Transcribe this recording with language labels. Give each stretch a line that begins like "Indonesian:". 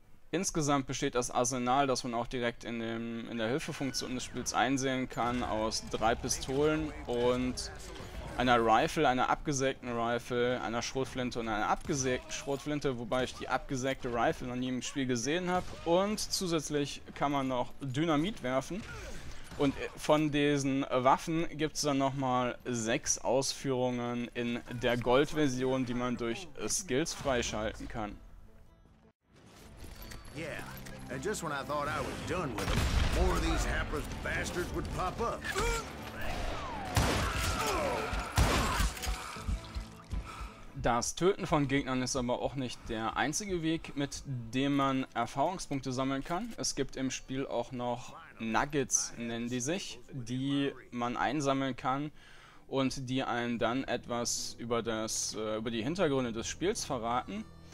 German: Insgesamt besteht das Arsenal, das man auch direkt in der Hilfefunktion des Spiels einsehen kann, aus 3 Pistolen und einer Rifle, einer abgesägten Rifle, einer Schrotflinte und einer abgesägten Schrotflinte, wobei ich die abgesägte Rifle noch nie im Spiel gesehen habe. Und zusätzlich kann man noch Dynamit werfen. Und von diesen Waffen gibt es dann nochmal 6 Ausführungen in der Goldversion, die man durch Skills freischalten kann.
English: Yeah, and just when I thought I was done with them, more of these hapless bastards would pop up.
German: Das Töten von Gegnern ist aber auch nicht der einzige Weg, mit dem man Erfahrungspunkte sammeln kann. Es gibt im Spiel auch noch Nuggets, nennen die sich, die man einsammeln kann und die einem dann etwas über die Hintergründe des Spiels verraten.